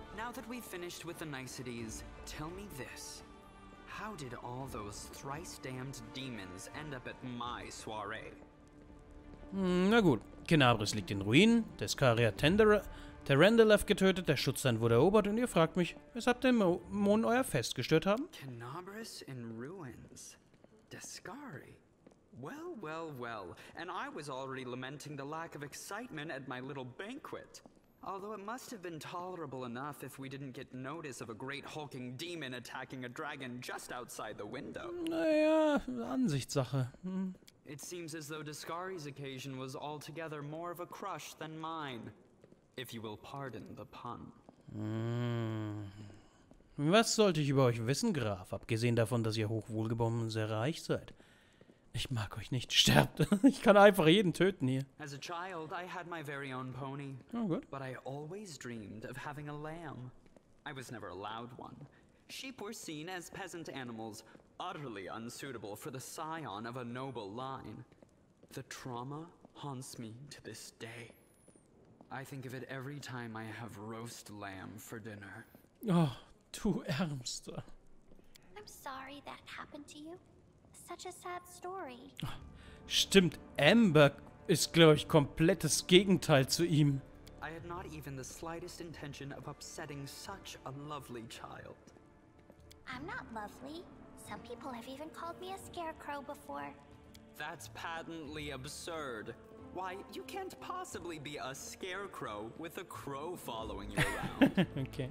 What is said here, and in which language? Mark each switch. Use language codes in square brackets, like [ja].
[en] Now that we've finished with the niceties, tell me this. How did all those thrice-damned demons end up at my soiree? [de] Na gut, Kenabris liegt in Ruinen, der Skaria Tarandalef getötet, der Schutzstein wurde erobert und ihr fragt mich, weshalb den Mond euer Fest gestört haben? [en] Kenabris in Ruins? Descari? Well, well, well. And I was already lamenting the lack of excitement at my little banquet. Although it must have been tolerable enough if we didn't get notice of a great hulking demon attacking a dragon just outside the window. [de] Naja, Ansichtssache. [en] It seems as though Descari's occasion was altogether more of a crush than mine, if you will pardon the pun. [de] Was sollte ich über euch wissen, Graf? Abgesehen davon, dass ihr hochwohlgeboren und sehr reich seid. Ich mag euch nicht. Sterbt. Ich kann einfach jeden töten hier. [en] As a child, I had my very own pony. [de] Oh, gut. [en] But I always dreamed of having a lamb. I was never allowed one. Sheep were seen as peasant animals, utterly unsuitable for the scion of a noble line. The trauma haunts me to this day. I think of it every time I have roast lamb for dinner. [de] Oh, du Ärmster. [en] I'm sorry that happened to you. Such a sad story. [de] Stimmt, Amber ist, glaube ich, komplettes Gegenteil zu ihm. [en] I had not even the slightest intention of upsetting such a lovely child. I'm not lovely. Some people have even called me a scarecrow before. That's patently absurd. Why, you can't possibly be a scarecrow with a crow following you around. Okay.